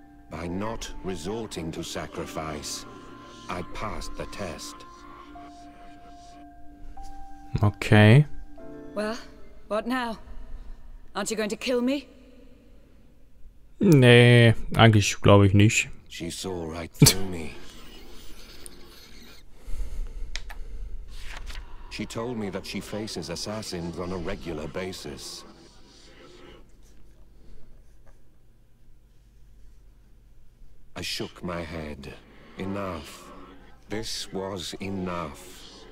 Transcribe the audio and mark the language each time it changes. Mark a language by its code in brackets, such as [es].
[en] By not resorting to sacrifice, I passed the test. Okay. Well, what now? Aren't you going to kill me? [de] Nee, eigentlich glaube ich nicht. [en] She saw right through me. She told me that she faces assassins on a regular basis. I shook my head. Enough. This was enough.